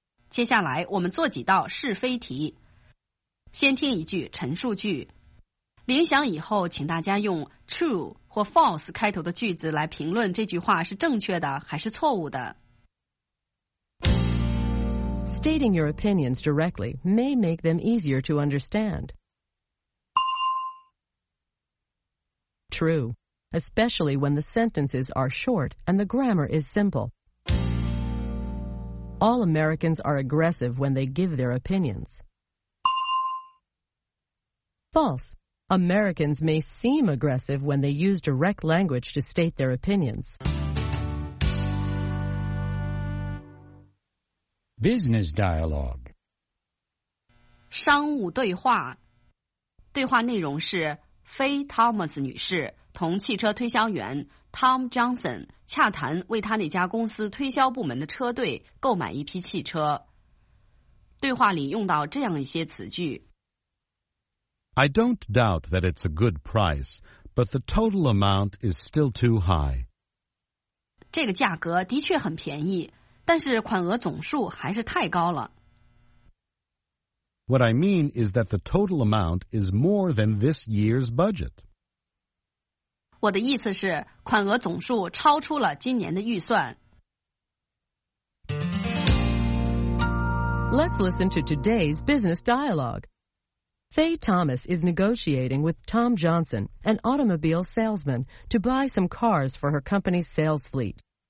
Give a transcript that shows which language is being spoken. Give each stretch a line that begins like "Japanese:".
Chinese: 接下来我们做几道是非题。先听一句陈述句。联想以后，请大家用 true 或 false 开头的句子来评论这句话是正确的还是错误的。
English: Stating your opinions directly may make them easier to understand. True. Especially when the sentences are short and the grammar is simple. All Americans are aggressive when they give their opinions. False. Americans may seem aggressive when they use direct language to state their opinions. Business dialogue.
Chinese: 商务对话。对话内容是：非 Thomas 女士。同汽车推销员 Tom Johnson 洽谈为他那家公司推销部门的车队购买一批汽车。对话里用到这样一些词句。
English: I don't doubt that it's a good price, but the total amount is still too high.
Chinese: 这个价格的确很便宜，但是款额总数还是太高了。
English: What I mean is that the total amount is more than this year's budget.
Chinese: 我的意思是，款额总数超出了今年的预算。
English: Let's listen to today's business dialogue. Faye Thomas is negotiating with Tom Johnson, an automobile salesman, to buy some cars for her company's sales fleet.